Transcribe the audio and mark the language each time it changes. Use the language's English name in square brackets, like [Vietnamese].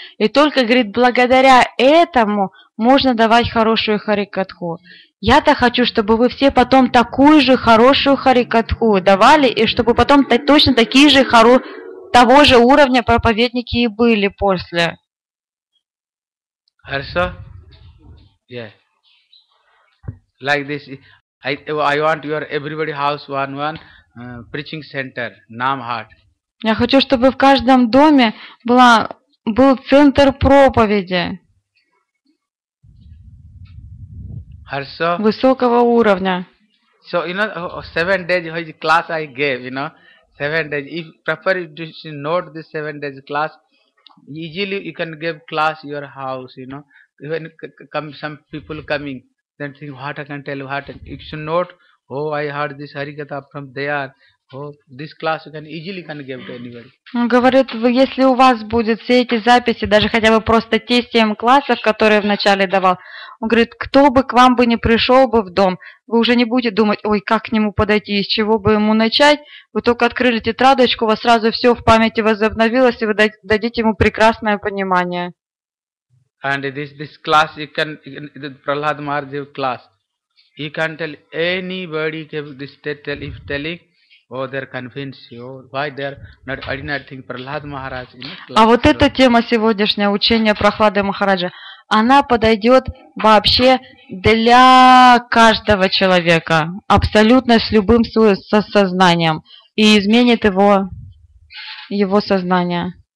[Russian] И только, говорит, благодаря этому можно давать хорошую харикатху. Я-то хочу, чтобы вы все потом такую же хорошую харикатху давали, и чтобы потом точно такие же хорошие... того же уровня проповедники и были после. Хорошо? [English] Yeah. Like this, I want your everybody house one preaching center, Namhat. [Russian] Я хочу, чтобы в каждом доме был центр проповеди. Хорошо? Высокого уровня. [English] So, you know, 7 days which class I gave, you know, 7 days. If prefer to note this 7 days class, easily you can give class your house, you know. Even some people coming, then think what I can tell, what if you note, oh, I heard this Harikatha from there. This class you can easily can give to anybody. [Russian] Он говорит, если у вас будет все эти записи, даже хотя бы просто те 7 классов, которые вначале давал, он говорит, кто бы к вам бы не пришел бы в дом, вы уже не будете думать, ой, как к нему подойти, из чего бы ему начать. Вы только открыли тетрадочку, у вас сразу все в памяти возобновилось, и вы дадите ему прекрасное понимание. [English] And this class you can, Prahlad Mahadev class, you can tell anybody this tell if telling. Oh, they're convinced you. Why they're not ordinary thing? Prahlad Maharaj. [Russian] А вот эта тема сегодняшняя, учение Прохлады Махараджа, она подойдет вообще для каждого человека, абсолютно с любым со сознанием, и изменит его сознание.